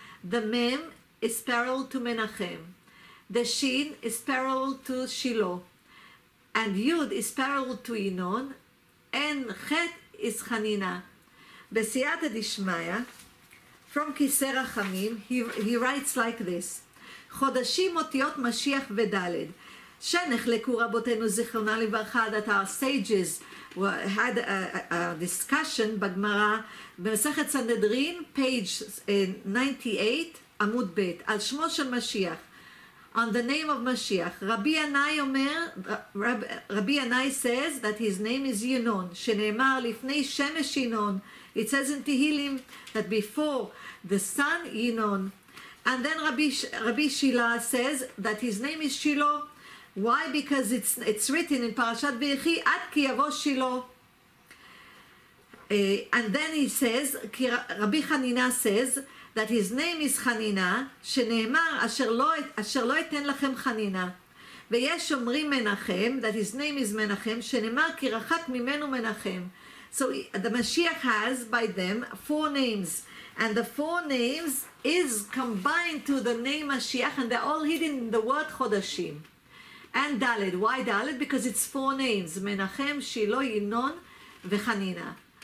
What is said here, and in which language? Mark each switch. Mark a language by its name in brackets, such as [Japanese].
[English] The Mem is parallel to Menachem. The Shin is parallel to Shiloh. And Yud is parallel to Inon. And Chet is Hanina. Besiyata Dishmaya, from Kiseh Rachamim, he writes like this. [Hebrew] Chodashim otiyot Mashiach vedaled. שנחלקו רבותינו זיכרונה לברכה [English] that our sages had a discussion [Hebrew] בגמרא במסכת סנהדרין page 98 עמוד בית על שמו של משיח [English] on the name of משיח [Hebrew] רבי ינאי אומר רבי ינאי [English] says that his name is [Hebrew] ינון שנאמר לפני שמש ינון [English] it says in Tehillim that before the sun ינון and then רבי שילה says that his name is שילה Why? Because it's written in Parashat Vayechi, [Hebrew] Ad ki yavo Shiloh. [English] And then he says, Rabbi Hanina says, that his name is Hanina, [Hebrew] שנאמר, אשר לא אתן לכם חנינה. ויש אומרים מנחם, [English] that his name is [Hebrew] מנחם, שנאמר, כי רחק ממנו מנחם. [English] So the Mashiach has, by them, four names. And the four names is combined to the name Mashiach, and they're all hidden in the word Chodashim. And Dalet. Why Dalet? Because it's four names. Menachem, Shiloh, Inon, Vechanina.